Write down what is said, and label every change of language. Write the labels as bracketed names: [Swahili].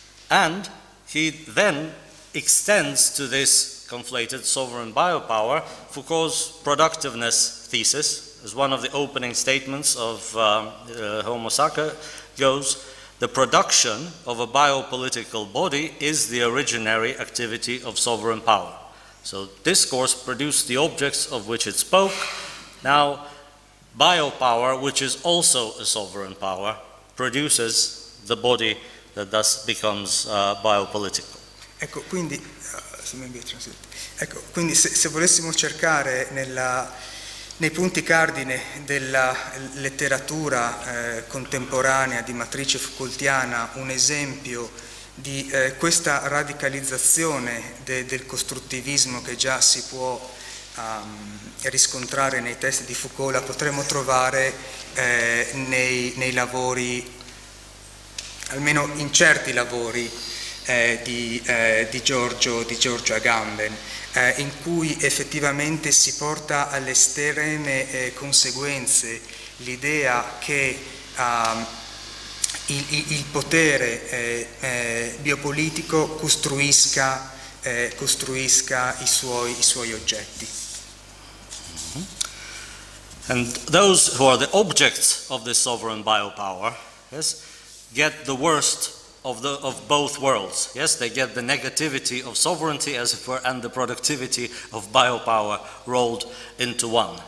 [English] And he then extends to this conflated sovereign biopower Foucault's productiveness thesis, as one of the opening statements of Homo Sacer goes, the production of a biopolitical body is the originary activity of sovereign power. So discourse produced the objects of which it spoke. Now, biopower, which is also a sovereign power, produces the body that thus becomes biopolitical. [Italian] Ecco, quindi, se volessimo cercare nei punti cardine della letteratura contemporanea di matrice foucaultiana un esempio di questa radicalizzazione del costruttivismo che già si può riscontrare nei testi di Foucault, la potremmo trovare nei lavori, almeno in certi lavori, di Giorgio Agamben, in cui effettivamente si porta alle estreme conseguenze l'idea che il potere biopolitico costruisca i suoi oggetti. [English] And those who are the objects of the sovereign biopower, yes, get the worst of both worlds. Yes, they get the negativity of sovereignty, as it were, and the productivity of biopower rolled into one.